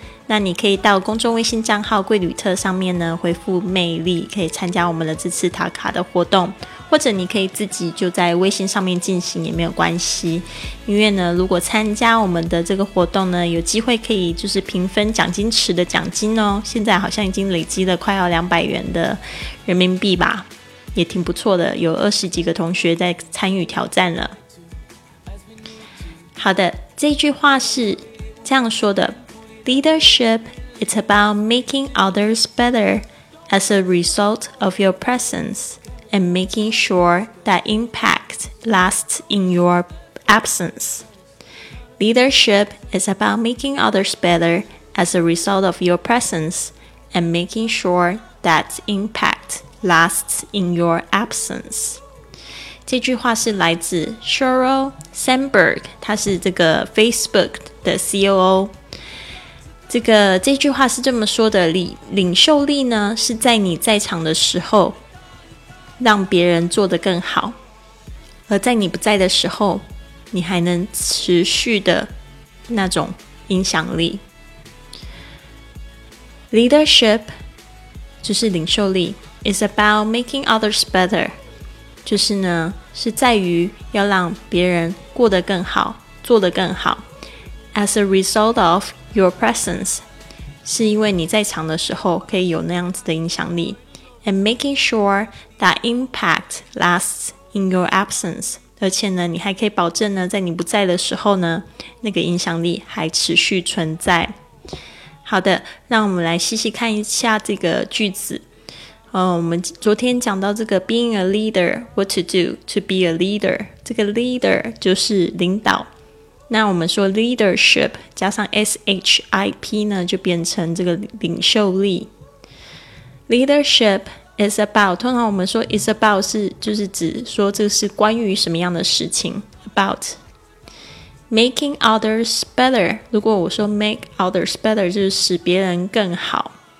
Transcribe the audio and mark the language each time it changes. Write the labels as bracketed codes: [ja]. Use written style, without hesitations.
[zh] 那你可以到公众微信账号贵旅特上面呢回复魅力，可以参加我们的这次打卡的活动，或者你可以自己就在微信上面进行也没有关系。因为呢，如果参加我们的这个活动呢，有机会可以就是平分奖金池的奖金哦，现在好像已经累积了快要200元的人民币吧，也挺不错的，有20几个同学在参与挑战了。好的，这句话是这样说的， [en] Leadership is about making others better as a result of your presence and making sure that impact lasts in your absence. Leadership is about making others better as a result of your presence and making sure that impact lasts in your absence. [zh] 这句话是来自 Sheryl Sandberg， 他是这个 Facebook 的 COO。这句话是这么说的，领袖力呢是在你在场的时候让别人做得更好，而在你不在的时候你还能持续的那种影响力。 Leadership 就是领袖力， [en] is about making others better， [zh] 就是呢是在于要让别人过得更好，做得更好。 [en] As a result ofYour presence [zh] 是因为你在场的时候可以有那样子的影响力。 [en] And making sure that impact lasts in your absence， [zh] 而且呢你还可以保证呢在你不在的时候呢那个影响力还持续存在。好的，让我们来细细看一下这个句子。我们昨天讲到这个 [en] being a leader， what to do to be a leader， [zh] 这个 leader 就是领导。那我们说 leadership 加上 SHIP 呢就变成这个领袖力。 [en] Leadership is about， [zh] 通常我们说 [en] is about [zh] 是就是指说这是关于什么样的事情， [en] about making others better， [zh] 如果我说 [en] make others better [zh] 就是使别人更好。